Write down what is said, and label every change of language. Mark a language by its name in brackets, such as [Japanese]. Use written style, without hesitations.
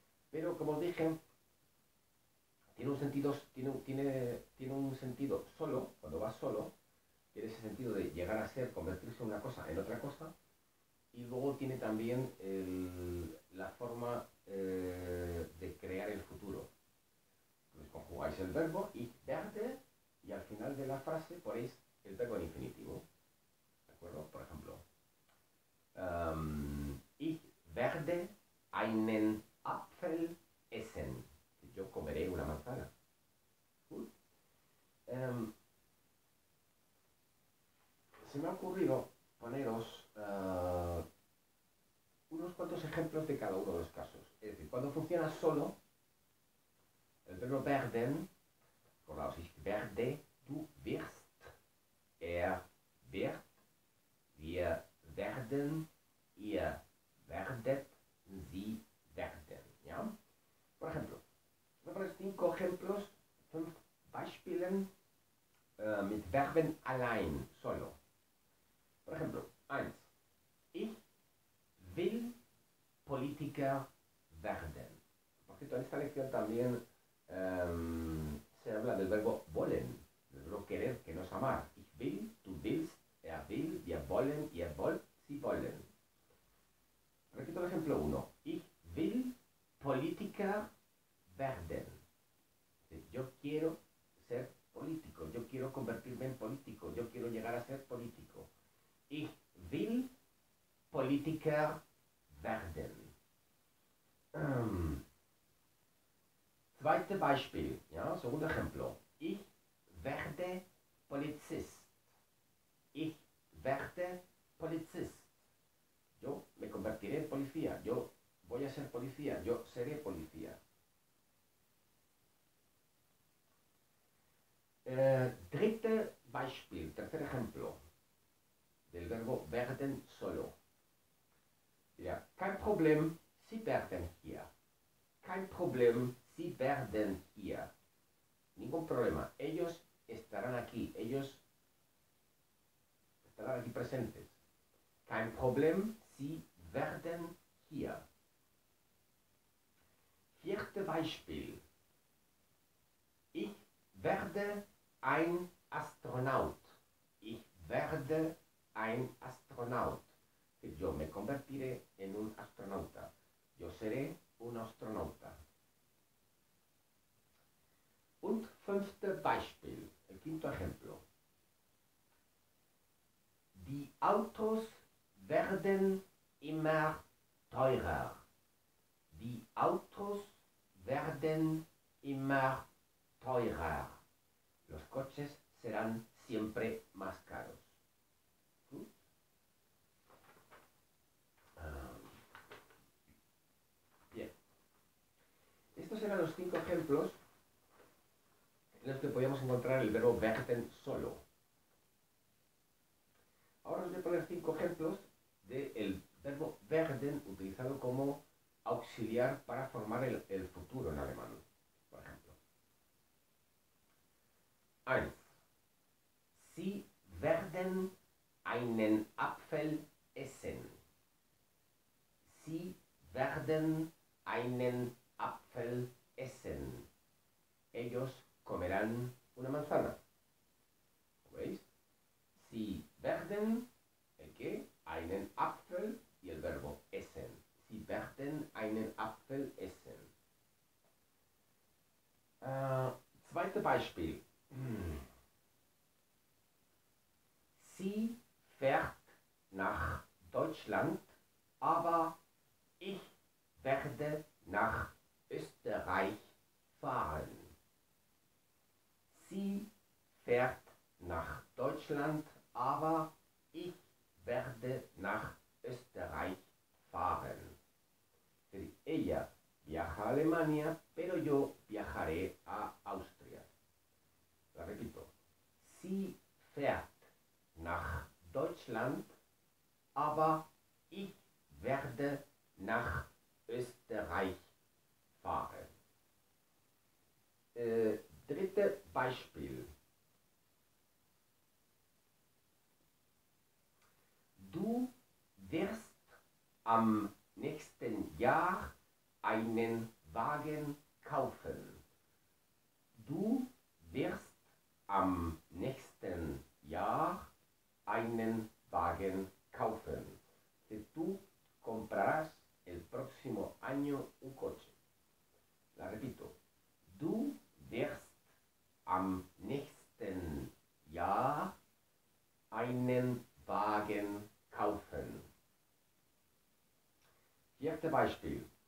[Spanish] Pero como os dije, tiene un sentido solo, cuando vas solo, tiene ese sentido de llegar a ser, convertirse en una cosa, en otra cosa, y luego tiene también la forma de crear el futuro. Entonces conjugáis el verbo y al final de la frase ponéis el verbo en infinitivo. ¿De acuerdo? Por ejemplo, [German] ich werde einen Apfel essen. [Spanish] Yo comeré una manzana. Se me ha ocurrido poneros unos cuantos ejemplos de cada uno de los casos. Es decir, cuando funciona solo, el verbo [German] werden, [Spanish] acordaos, [German] ich werde, du wirst, wird, wir werden, ihr werdet, sie werden. [Spanish] ¿Ya? Por ejemplo, cinco ejemplos, [German] fünf Beispielen mit Verben allein, [Spanish] solo. Por ejemplo, [German] eins. Ich will Politiker werden. [Spanish] Por cierto, en esta lección también se habla del verbo wollen, del verbo querer, que no es amar. [German] Ich will, du willst, will, wir wollen, ihr wollt, sie wollen. [Spanish] Repito el ejemplo uno. [German] Ich will Politiker werden. [Spanish] Yo quiero ser político, yo quiero convertirme en político, yo quiero llegar a ser político. [German] Ich will Politiker werden. Zweite Beispiel, ja, [Spanish] segundo ejemplo. [German] Ich werde Polizist. Ich werde Polizist. [Spanish] Yo me convertiré en policía, yo voy a ser policía, yo seré policía. [German] Dritte Beispiel, [Spanish] tercer ejemplo del verbo werden solo. [German] Ja, kein Problem, Sie werden hier. Kein Problem, Sie werden hier. [Spanish] Ningún problema, ellos estarán aquí, ellos estarán aquí presentes. [German] Kein Problem, Sie werden hier. Vierte Beispiel. Ich werde ein Astronaut. Ich werde ein Astronaut. [Spanish] Yo me convertiré en un astronauta. Yo seré un astronauta. [German] Und fünfte Beispiel, [Spanish] el quinto ejemplo. [German] Die Autos werden immer teurer. Die Autos werden immer teurer. [Spanish] Los coches serán siempre más caros. Bien. Estos eran los cinco ejemplos en los que podíamos encontrar el verbo werden solo. Ahora os voy a poner cinco ejemplos del verbo werden utilizado como auxiliar para formar el futuro en alemán. Por ejemplo. 1. [German] Sie werden einen Apfel essen. Sie werden einen Apfel essen. [Spanish] Ellos comerán una manzana. ¿Lo veis? [German] Sie werden, [Spanish] ¿el qué? [German] Einen Apfel [Spanish] y el verbo essen. [German] Sie werden einen Apfel essen. Zweite Beispiel. Sie fährt nach Deutschland, aber ich werde nach Österreich fahren. Sie fährt nach Deutschland, aber ich werde nach Österreich fahren. [Spanish] Ella viaja a Alemania, pero yo viajaré a Austria. La repito. [German] Sie fährt nach Deutschland, aber ich werde nach Österreich fahren. Dritte Beispiel. Du wirst am nächsten Jahr einen Wagen kaufen. Du wirst am nächsten Jahr einen Wagen kaufen. [Spanish] Tú comprarás el próximo año un coche. La repito. [German] Du wirst am nächsten Jahr einen Wagen kaufen. Vierte Beispiel.